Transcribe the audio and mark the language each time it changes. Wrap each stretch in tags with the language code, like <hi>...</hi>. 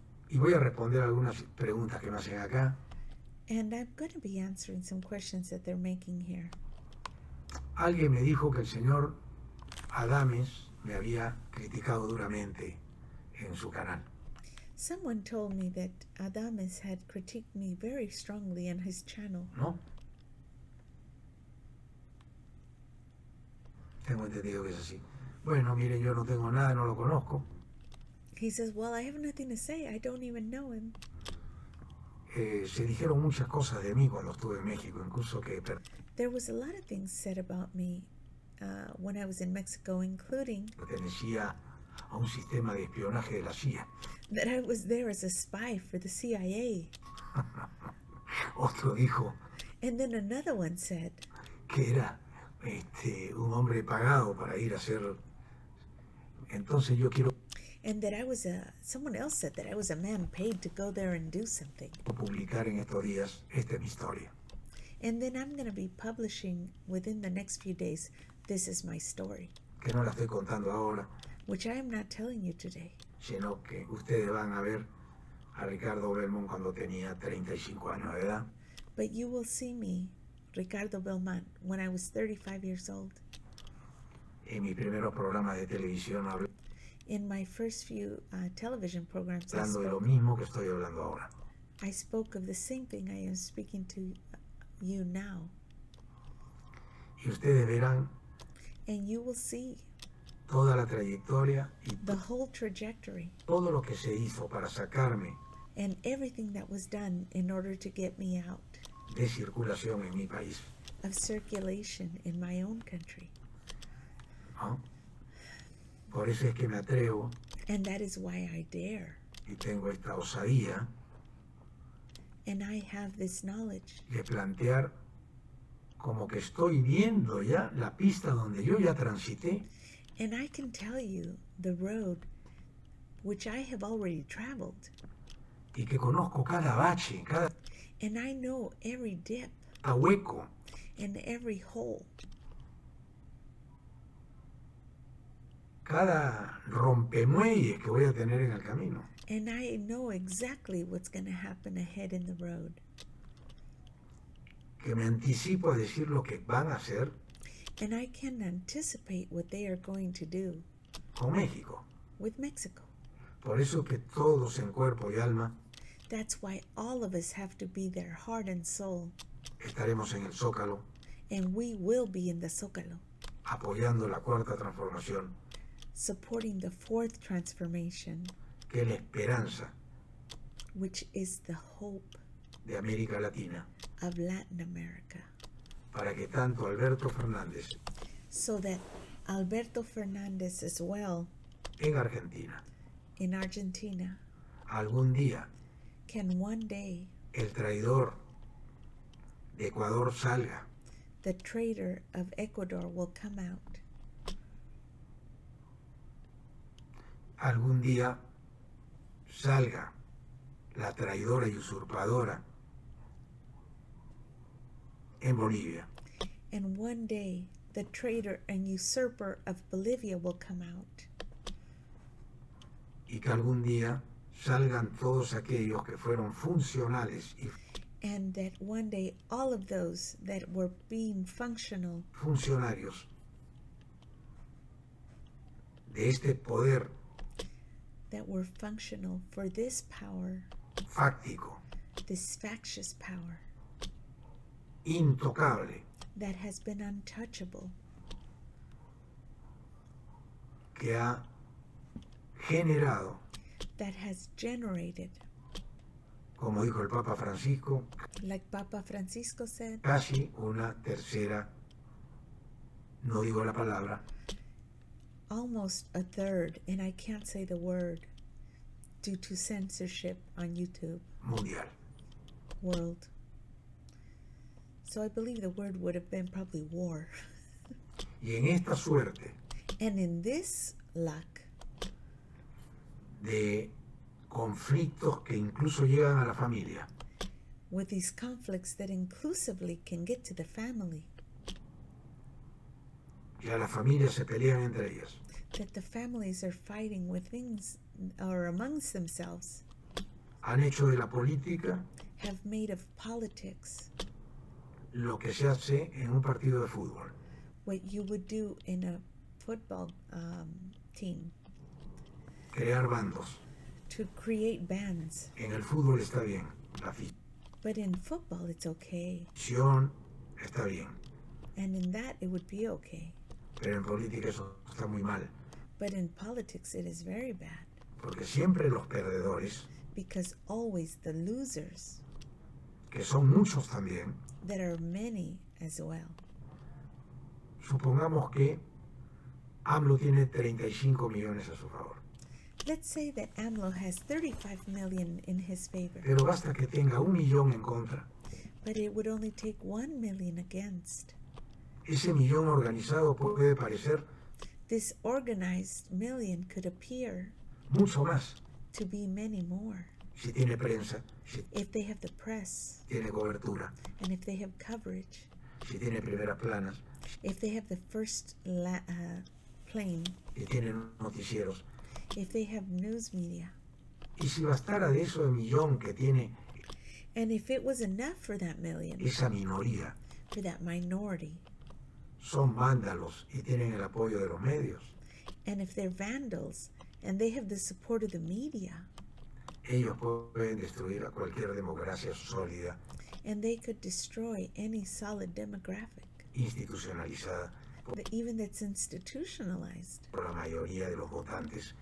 <es>Y voy a responder algunas preguntas que me hacen acá.</es> <en>And I'm going to be answering some questions that they're making here.</en> <es>Alguien me dijo que el señor Adames me había criticado duramente en su canal.</es> <en>Someone told me that Adames had critiqued me very strongly on his channel.</en> <es>No. Tengo entendido que es así. Bueno, miren, yo no tengo nada, no lo conozco.</es> <en>He says, well, I have nothing to say. I don't even know him.</en> <es>Se dijeron muchas cosas de mí cuando estuve en México, incluso que...</es> <en>There was a lot of things said about me when I was in Mexico, including...</en> <es>Pertenecía a un sistema de espionaje de la CIA.</es> <en>That I was there as a spy for the CIA.</en> <es>Otro dijo.</es> <en>And then another one said.</en> <es>Que era un hombre pagado para ir a hacer. Entonces yo quiero.</es> <en>And that I was a. Someone else said that I was a man paid to go there and do something.</en> <es>Publicar en estos días. Esta es mi historia.</es> <en>And then I'm going to be publishing within the next few days. This is my story.</en> <es>Que no la estoy contando ahora.</es> <en>Which I am not telling you today.</en> <es>Sino que ustedes van a ver a Ricardo Belmont cuando tenía 35 años de edad.</es> <en>But you will see me, Ricardo Belmont, when I was 35 years old.</en> <es>En mi primer programa de televisión hablé</es> <en>In my first few television programs,</en> <es>hablando de lo mismo que estoy hablando ahora.</es> <en>I spoke of the same thing I am speaking to you now.</en> <es>Y ustedes verán</es> <en>And you will see</en> <es>toda la trayectoria y</es> <en>the whole trajectory.</en> <es>Todo lo que se hizo para sacarme</es> <en>And everything that was done in order to get me out</en> <es>de circulación en mi país.</es> <en>Of circulation in my own country.</en> <es>¿No? Por eso es que me atrevo</es> <en>And that is why I dare.</en> <es>Y tengo esta osadía</es> <en>And I have this knowledge.</en> <es>De plantear como que estoy viendo ya la pista donde yo ya transité.</es> <en>And I can tell you the road which I have already traveled.</en> <es>Y que conozco cada bache, cada</es> <en>And I know every dip,</en> <es>a hueco,</es> <en>and every hole.</en> <es>Cada rompemuelle que voy a tener en el camino.</es> <en>And I know exactly what's going to happen ahead in the road.</en> <es>Que me anticipo a decir lo que van a hacer.</es> <en>And I can anticipate what they are going to do.</en> <es>Con México.</es> <en>With Mexico.</en> <es>Por eso que todos en cuerpo y alma.</es> <en>That's why all of us have to be there, heart and soul.</en> <es>Estaremos en el Zócalo.</es> <en>And we will be in the Zócalo.</en> <es>Apoyando la cuarta transformación.</es> <en>Supporting the fourth transformation,</en> <es>que es la esperanza,</es> <en>which is the hope</en> <es>de América Latina,</es> <en>of Latin America,</en> <es>para que tanto Alberto Fernández,</es> <en>so that Alberto Fernández as well,</en> <es>en Argentina,</es> <en>in Argentina,</en> <es>algún día,</es> <en>can one day,</en> <es>el traidor de Ecuador salga,</es> <en>the traitor of Ecuador will come out.</en> <es>Algún día salga la traidora y usurpadora en Bolivia.</es> <en>And one day the traitor and usurper of Bolivia will come out.</en> <es>Y que algún día salgan todos aquellos que fueron funcionales y</es> <en>And that one day all of those that were being functional</en> <es>funcionarios de este poder</es> <en>that were functional for this power</en> <es>Fáctico.</es> <en>This factious power</en> <es>intocable</es> <en>that has been untouchable</en> <es>que ha generado</es> <en>that has generated</en> <es>como dijo el Papa Francisco</es> <en>like Papa Francisco said</en> <es>casi una tercera no digo la palabra</es> <en>almost a third and I can't say the word due to censorship on YouTube</en> <es>mundial</es> <en>world so I believe the word would have been probably war</en> <es>y en esta suerte</es> <en>and in this luck</en> <es>de conflictos que incluso llegan a la familia</es> <en>with these conflicts that inclusively can get to the family</en> <es>y a las familias se pelean entre ellas</es> <en>that the families are fighting with things or amongst themselves</en> <es>han hecho de la política</es> <en>have made of politics</en> <es>lo que se hace en un partido de fútbol</es> <en>what you would do in a football team</en> <es>crear bandos</es> <en>to create bands</en> <es>en el fútbol está bien la</es> <en>but in football it's okay</en> <es>Sion está bien</es> <en>and in that it would be okay</en> <es>pero en política eso está muy mal</es> <en>but in politics it is very bad</en> <es>porque siempre los perdedores</es> <en>because always the losers</en> <es>que son muchos también</es> <en>that are many as well</en> <es>supongamos que AMLO tiene 35 millones a su favor</es> <en>let's say that AMLO has 35 million in his favor</en> <es>pero basta que tenga un millón en contra</es> <en>but it would only take 1 million against</en> <es>ese millón organizado puede parecer</es> <en>this organized million could appear</en> <es>mucho más</es> <en>to be many more</en> <es>si tiene prensa si</es> <en>if they have the press</en> <es>tiene cobertura</es> <en>and if they have coverage</en> <es>si tiene primeras planas</es> <en>if they have the first plane</en> <es>si tiene noticieros</es> <en>if they have news media</en> <es>y si bastara de eso el millón que tiene</es> <en>and if it was enough for that million</en> <es>esa minoría</es> <en>for that minority</en> <es>son vándalos y tienen el apoyo de los medios,</es> <en>and if they're vandals and they have the support of the media,</en> <es>ellos pueden destruir a cualquier democracia sólida,</es> <en>and they could destroy any solid demographic,</en> <es>institucionalizada,</es> <en>even that's institutionalized,</en> <es>por la mayoría de los votantes,</es>